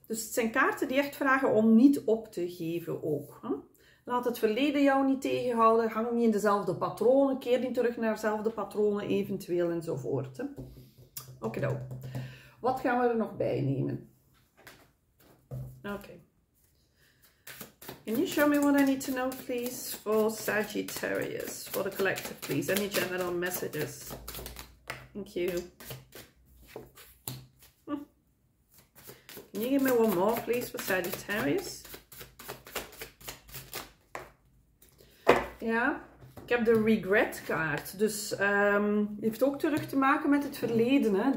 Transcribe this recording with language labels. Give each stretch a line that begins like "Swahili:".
Dutch: Dus het zijn kaarten die echt vragen om niet op te geven ook. Hè? Laat het verleden jou niet tegenhouden. Hang niet in dezelfde patronen. Keer niet terug naar dezelfde patronen eventueel enzovoort. Oké, nou. Wat gaan we er nog bij nemen? Oké. Okay.
English: Can you show me what I need to know, please? For Sagittarius. For the collective, please. Any general messages? Thank you. Can you give me one more, please, for Sagittarius?
Dutch: Ja, ik heb de regret kaart. Dus het heeft ook terug te maken met het verleden. Hè?